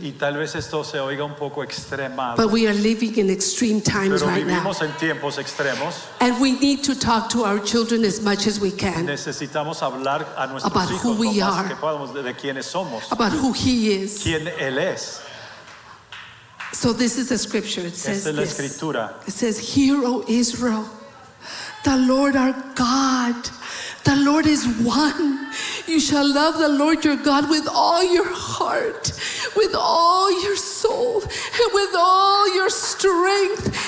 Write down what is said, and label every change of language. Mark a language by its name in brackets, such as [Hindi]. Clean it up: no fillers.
[Spanish] Y tal vez esto se oiga un poco extremado. [English] But we are living in extreme times [Spanish] pero [English] right now. [Spanish] Vivimos en tiempos extremos. [English] And we need to talk to our children as much as we can. [Spanish] Necesitamos hablar a nuestros [English] about [Spanish] hijos [English] who we [Spanish] lo más [English] are, [Spanish] que podamos de quiénes somos. [English] About who he is. [Spanish] Quién él es. [English] So this is the scripture. It says [Spanish] esta es la [English] this. [Spanish] Escritura. [English] It says, "Hear, O Israel, the Lord our God. The Lord is one. You shall love the Lord your God with all your heart, with all your soul, and with all your strength.